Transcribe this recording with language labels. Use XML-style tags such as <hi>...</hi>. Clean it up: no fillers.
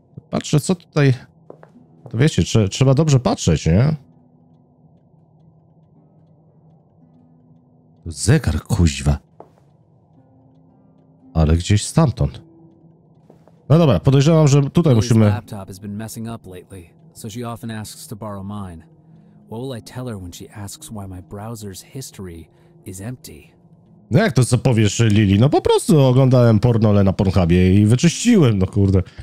<pl>Patrzę, co tutaj... To wiecie, trzeba dobrze patrzeć, nie? Zegar, kuźwa. Ale gdzieś stamtąd. No dobra, podejrzewam, że tutaj musimy...</pl> <en>Laptop has been messing up lately, so she often asks to borrow mine. What will I tell her when she asks why my browser's history is empty?</en> <pl>No jak to co powiesz, Lili? No po prostu oglądałem pornole na Pornhubie i wyczyściłem, no kurde.</pl>